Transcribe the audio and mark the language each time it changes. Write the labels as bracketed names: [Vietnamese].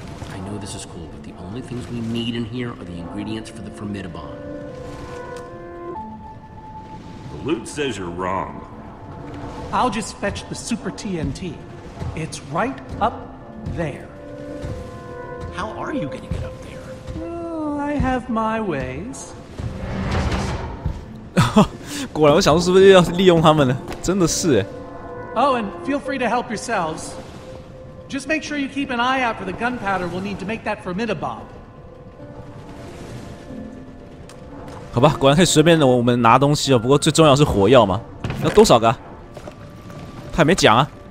[English] I know this is cool, but the only things we need in here are the ingredients for the formidabomb. The loot says you're wrong. I'll just fetch the super TNT. It's right up there. How are you going to get up there? Well, I have my ways. [Chinese] 果然，我想说是不是要利用他们呢？真的是哎、欸。 [English] Oh, and feel free to help yourselves. Just make sure you keep an eye out for the gunpowder we'll need to make that formidabob. [Chinese] 好吧，果然可以随便的我们拿东西哦。不过最重要是火药嘛，要多少个？他也没讲啊。